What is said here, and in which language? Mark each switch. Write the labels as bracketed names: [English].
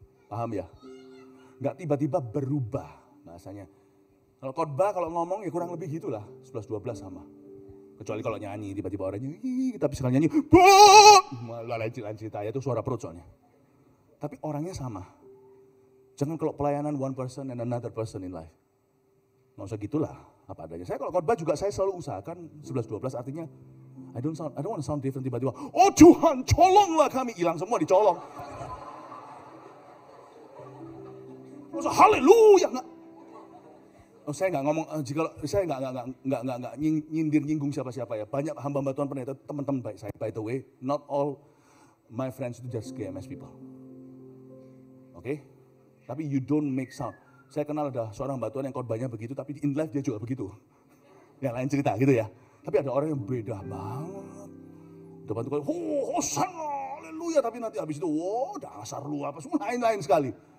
[Indonesian] Paham ya? Gak tiba-tiba berubah bahasanya. Kalau khotbah, kalau ngomong ya kurang lebih gitulah. 11-12 sama. Kecuali kalau nyanyi, tiba-tiba orangnya, tapi sekali nyanyi, lain cerita, ya itu suara perut soalnya. Tapi orangnya sama. Jangan kalau pelayanan [English] one person and another person in life. [Indonesian] Gak usah gitulah, apa adanya. Saya kalau khotbah juga saya selalu usahakan 11-12 artinya, [English] I don't want to sound different [Indonesian] tiba-tiba. Oh Tuhan, colonglah kami. Hilang semua, dicolong. Masa haleluya. Oh, saya enggak ngomong jika saya enggak nyindir-nyinggung siapa-siapa ya. Banyak hamba-hamba Tuhan pernah itu teman-teman baik saya. [English] By the way, not all my friends itu just GMS people. Okay? Tapi you don't make sound. [Indonesian] Saya kenal ada seorang hamba Tuhan yang khotbahnya begitu tapi [English] in life [Indonesian] dia juga begitu. Yang lain cerita gitu ya. Tapi ada orang yang beda banget. Depan tuh hosan haleluya tapi nanti habis itu wah dasar lu apa semua lain-lain sekali.